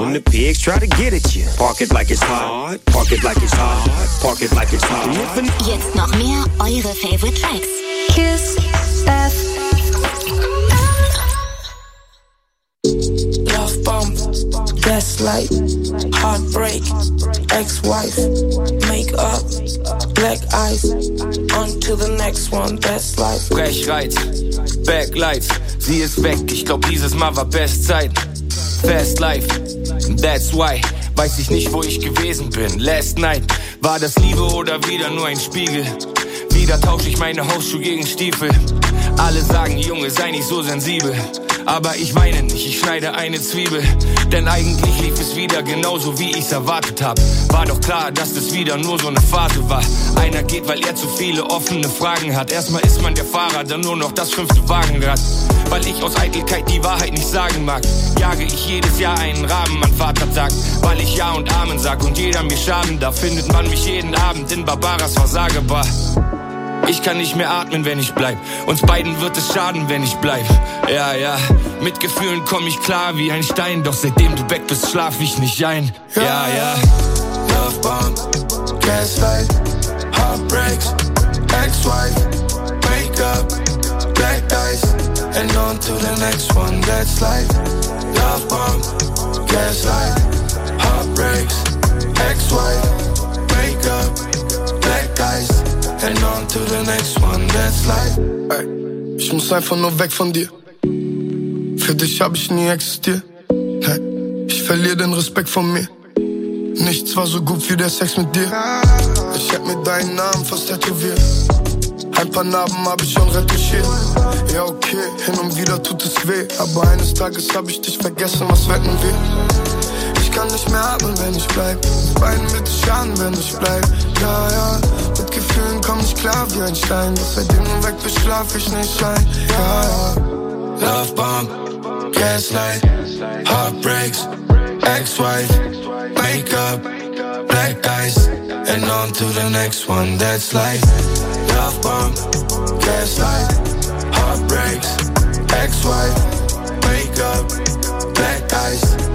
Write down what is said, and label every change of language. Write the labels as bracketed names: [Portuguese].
[English] When the pigs try to get at you, park it like it's hot. Park it like it's hot. Park it like it's hot. [German] Jetzt noch mehr eure [English] favorite tracks. Kiss F. Love bomb. Gaslight. Heartbreak. Ex-wife. Make up. Black eyes, on to the next one, best life. [German] Brechreiz, Backlights, sie ist weg. Ich glaub, dieses Mal war Bestzeit. [English] Best life, that's why. [German] Weiß ich nicht, wo ich gewesen bin. [English] Last night, [German] war das Liebe oder wieder nur ein Spiegel? Wieder tausche ich meine Hausschuhe gegen Stiefel. Alle sagen, Junge, sei nicht so sensibel. Aber ich weine nicht, ich schneide eine Zwiebel. Denn eigentlich lief es wieder genauso, wie ich's erwartet hab. War doch klar, dass es wieder nur so eine Phase war. Einer geht, weil er zu viele offene Fragen hat. Erstmal ist man der Fahrer, dann nur noch das fünfte Wagenrad. Weil ich aus Eitelkeit die Wahrheit nicht sagen mag, jage ich jedes Jahr einen Rahmen, mein Vater sagt. Weil ich Ja und Amen sag und jeder mir schaden, da findet man mich jeden Abend in Barbaras Versagebar. Ich kann nicht mehr atmen, wenn ich bleib. Uns beiden wird es schaden, wenn ich bleib. Ja, ja, mit Gefühlen komm ich klar wie ein Stein. Doch seitdem du weg bist, schlaf ich nicht ein. Ja, ja. [English] Love bomb, gaslight, heartbreaks, ex-wife, break up, black eyes, and on to the next one, that's life. Love bomb, gaslight, heartbreaks, ex-wife, break up, black eyes. And on to the next one, that's life. [German] Ey, ich muss einfach nur weg von dir. Für dich hab ich nie existiert. Hey, ich verliere den Respekt von mir. Nichts war so gut wie der Sex mit dir. Ich hab mir deinen Namen fast tätowiert. Ein paar Narben hab ich schon retuschiert. Ja, okay, hin und wieder tut es weh. Aber eines Tages hab ich dich vergessen, was wetten wir? Ich kann nicht mehr atmen, wenn ich bleib. Beine mit dich an, wenn ich bleib. Ja, ja, mit Gefühlen komm ich klar wie ein Stein. Doch seitdem du weg bist, schlaf ich nicht ein. Ja, ja. [English] Love bomb, gaslight, heartbreaks, ex-wife, makeup, black eyes, and on to the next one, that's life. Love bomb, gaslight, heartbreaks, ex-wife, makeup, black eyes.